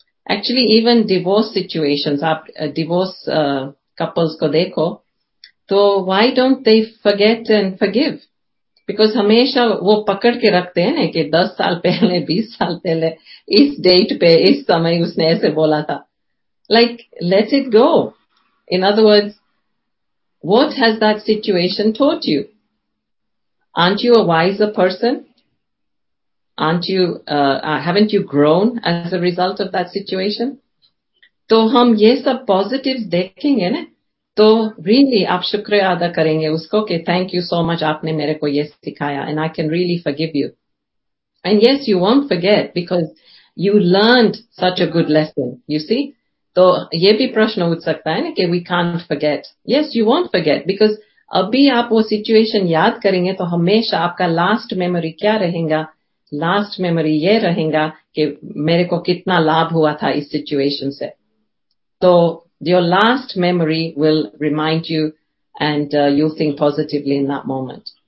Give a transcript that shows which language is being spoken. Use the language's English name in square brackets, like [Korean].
[Hindi] Actually even divorce situations, आप divorce couples को देखो तो [English] why don't they forget and forgive, [Hindi] because हमेशा वो पकड़ के रखते हैं कि 10 साल पहले 20 साल पहले इस डेट पे इस समय उसने ऐसे बोला था. [English] Like let it go, in other words what has that situation taught you? Aren't you a wiser person? Aren't you, haven't you grown as a result of that situation? [Hindi] तो हम ये सब positives देखेंगे ना, तो really आप शुक्रिया अदा करेंगे उसको कि [English] thank you so much, [Hindi] आपने मेरे को ये सिखाया [English] and I can really forgive you. And yes, you won't forget because you learned such a good lesson, you see. [Hindi] तो ये भी प्रश्न उठ सकता है ना कि [English] we can't forget. Yes, you won't forget because [Hindi] अभी आप वो situation याद करेंगे तो हमेशा आपका last memory क्या रहेगा? लास्ट मेमोरी ये रहेगा कि मेरे को कितना लाभ हुआ था इस सिचुएशन से. [English] तो your last memory will remind you and you think positively in that moment.